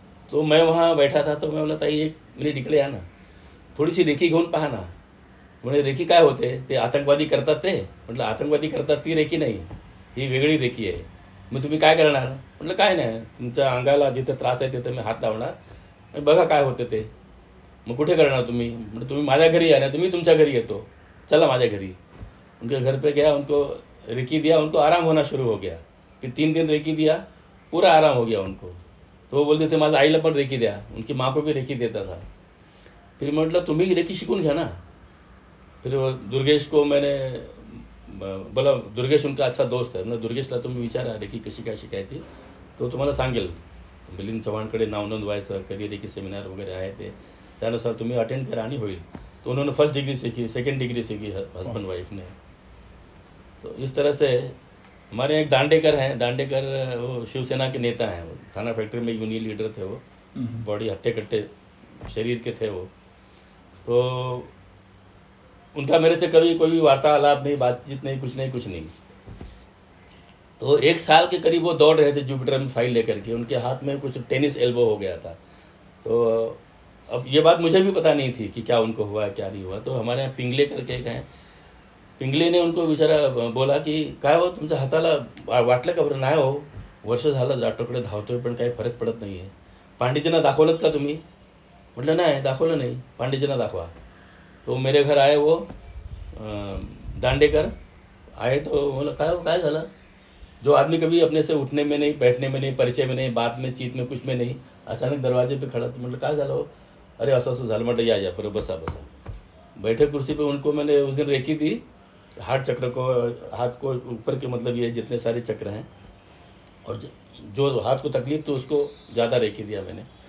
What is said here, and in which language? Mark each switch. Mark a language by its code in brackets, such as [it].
[hi] तो मैं वहाँ बैठा था, तो मैं बोला [mr] ताई एक मिनिट इकडे या ना, थोड़ी सी रेखी घेऊन पहा ना। म्हणजे रेखी काय होते, ते आतंकवादी करतात ते? म्हटलं आतंकवादी करतात ती रेखी नाही, ही वेगळी रेखी आहे। मग तुम्ही काय करणार? म्हटलं काय नाही, तुमच्या अंगाला जिथे त्रास आहे तिथे मी हात लावणार, बघा काय होते ते। मग कुठे करणार तुम्ही? म्हणजे तुम्ही माझ्या घरी या ना, तुम्ही तुमच्या घरी येतो, चला माझ्या घरी। [hi] उनके घर पे गया, उनको रेखी दिया, उनको आराम होना शुरू हो गया। फिर 3 दिन रेखी दिया, पूरा आराम हो गया उनको। तो वो बोलते थे [mr] माझ्या आईला पण रेखी द्या, [hi] उनकी माँ को भी रेखी देता था। [mr] फिर म्हटलं तुम्ही रेखी शिकून घ्या ना। [hi] फिर वो दुर्गेश को मैंने बोला, दुर्गेश उनका अच्छा दोस्त है ना, [mr] दुर्गेशला तुम्ही विचारा रेखी कशी काय शिकायची, तो तुम्हाला सांगेल। मिलिंद चव्हाणकडे नाव नोंदवायचं, कधी रेखी सेमिनार वगैरे आहे ते, त्यानुसार तुम्ही अटेंड करा आणि होईल। [hi] तो उन्होंने फर्स्ट डिग्री सीखी, सेकंड डिग्री सीखी हस्बंड वाइफ ने। तो इस तरह से हमारे एक दांडेकर हैं, दांडेकर वो शिवसेना के नेता हैं, थाना फैक्ट्री में यूनियन लीडर थे वो, बॉडी हट्टे कट्टे शरीर के थे वो। तो उनका मेरे से कभी कोई भी वार्तालाप नहीं, बातचीत नहीं, कुछ नहीं कुछ नहीं। तो एक साल के करीब वो दौड़ रहे थे जुपिटर में फाइल लेकर के, उनके हाथ में कुछ टेनिस एल्बो हो गया था। तो अब ये बात मुझे भी पता नहीं थी कि क्या उनको हुआ क्या नहीं हुआ। तो हमारे यहाँ पिंगले करके गए, पिंगले ने उनको बेचारा बोला कि [mr] काय हो तुमचा हाताला वाटलं का बरं, नाही हो वर्ष झालं डॉक्टरकडे धावतोय पण काही फरक पडत नाही आहे। पांडेजींना दाखवलं का तुम्ही? म्हटलं नाही दाखवलं नाही, पांडेजींना दाखवा। तो मेरे घर आहे वो दांडेकर आहे, तो बोला काय हो काय झालं? [hi] जो आदमी कभी अपने से उठने में नहीं, बैठने में नहीं, परिचय में नहीं, बात में, चीत में, कुछ में नहीं, अचानक दरवाजे पे खड़ा। [mr] तो म्हटलं काय झालं? अरे असं असं झालं। म्हटलं या या परत बसा बसा। [hi] बैठे कुर्सी पे उनको मैंने उस दिन रेखी दी, हार्ट चक्र को, हाथ को ऊपर के मतलब ये जितने सारे चक्र हैं, और जो हाथ को तकलीफ थी उसको ज़्यादा रेखी दिया मैंने।